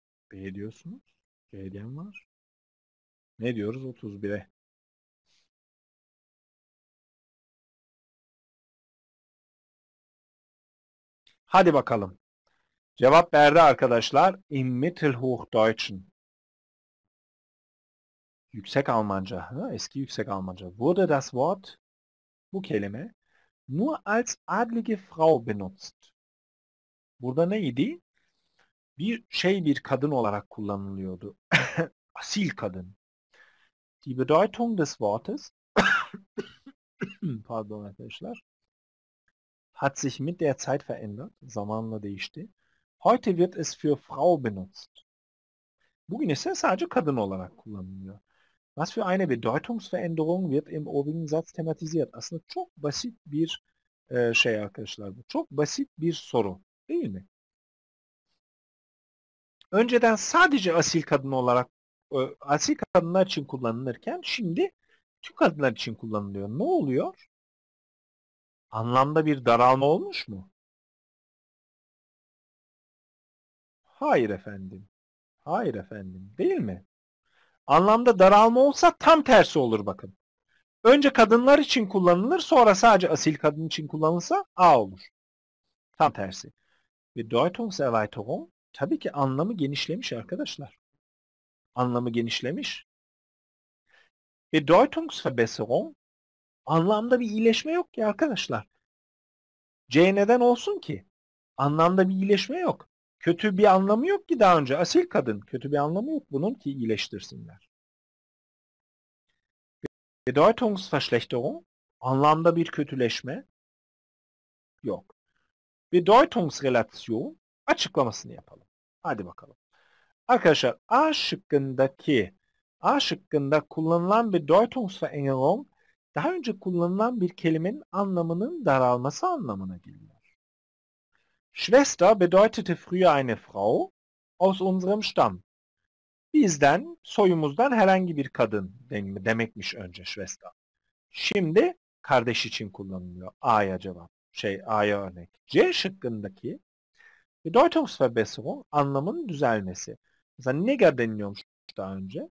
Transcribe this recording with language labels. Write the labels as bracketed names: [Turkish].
[Turkish] B diyorsunuz. C diyen var. Ne diyoruz 31'e? Hadi bakalım. Cevap verdi arkadaşlar. [German] Im Mittelhochdeutschen. [Turkish] Yüksek Almanca. Ha? Eski Yüksek Almanca. [German] Wurde das Wort, [Turkish] bu kelime, [German] nur als adlige Frau benutzt. [Turkish] Burada neydi? Bir şey, bir kadın olarak kullanılıyordu. Asil kadın. [German] Die Bedeutung des Wortes [Turkish] pardon arkadaşlar, [German] hat sich mit der Zeit verändert. [Turkish] Zamanla değişti. [German] Heute wird es für Frau benutzt. [Turkish] Bugün ise sadece kadın olarak kullanılıyor. [German] Was für eine Bedeutungsveränderung wird im obigen Satz thematisiert? [Turkish] Aslında çok basit bir şey arkadaşlar bu. Çok basit bir soru. Değil mi? Önceden sadece asil kadın olarak, asil kadınlar için kullanılırken şimdi tüm kadınlar için kullanılıyor. Ne oluyor? Anlamda bir daralma olmuş mu? Hayır efendim. Hayır efendim. Değil mi? Anlamda daralma olsa tam tersi olur bakın. Önce kadınlar için kullanılır, sonra sadece asil kadın için kullanılsa A olur. Tam tersi. [German] Bedeutungserweiterung. [Turkish] Tabii ki anlamı genişlemiş arkadaşlar. Anlamı genişlemiş. [German] Bedeutungsverbesserung. [Turkish] Anlamda bir iyileşme yok ki arkadaşlar. C neden olsun ki? Anlamda bir iyileşme yok. Kötü bir anlamı yok ki daha önce. Asil kadın. Kötü bir anlamı yok bunun ki iyileştirsinler. [German] Bedeutungsverschlechterung. [Turkish] Anlamda bir kötüleşme yok. Bedeutungsrelation. Açıklamasını yapalım. Hadi bakalım. Arkadaşlar A şıkkındaki, A şıkkında kullanılan bir Bedeutungsverengung daha önce kullanılan bir kelimenin anlamının daralması anlamına geliyor. [German] Schwester bedeutete früher eine Frau aus unserem Stamm. [Turkish] Bizden, soyumuzdan herhangi bir kadın demekmiş önce Schwester. Şimdi kardeş için kullanılıyor. A'ya cevap. Şey, A'ya örnek. C şıkkındaki Bedeutungsverbesserung anlamının düzelmesi. Mesela Neger deniliyormuş daha önce.